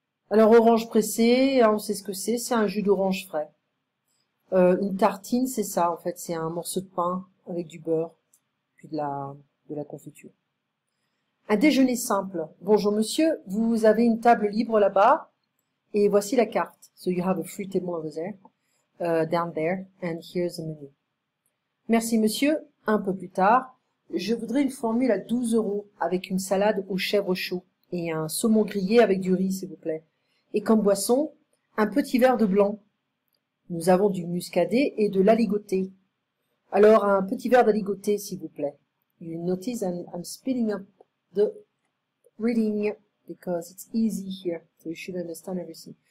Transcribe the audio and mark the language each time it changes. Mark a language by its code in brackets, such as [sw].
[fr] Alors, orange pressée, on sait ce que c'est un jus d'orange frais. Une tartine, c'est ça, en fait, c'est un morceau de pain avec du beurre, puis de la confiture. Un déjeuner simple. Bonjour, monsieur, vous avez une table libre là-bas, et voici la carte. [en] So you have a free table over there, down there, and here's the menu. [fr] Merci, monsieur. Un peu plus tard, je voudrais une formule à 12 euros avec une salade aux chèvres chaudes et un saumon grillé avec du riz, s'il vous plaît. Et comme boisson, un petit verre de blanc. Nous avons du muscadet et de l'aligoté. Alors, un petit verre d'aligoté, s'il vous plaît. [en] You notice I'm speeding up the reading because it's easy here, so you should understand everything.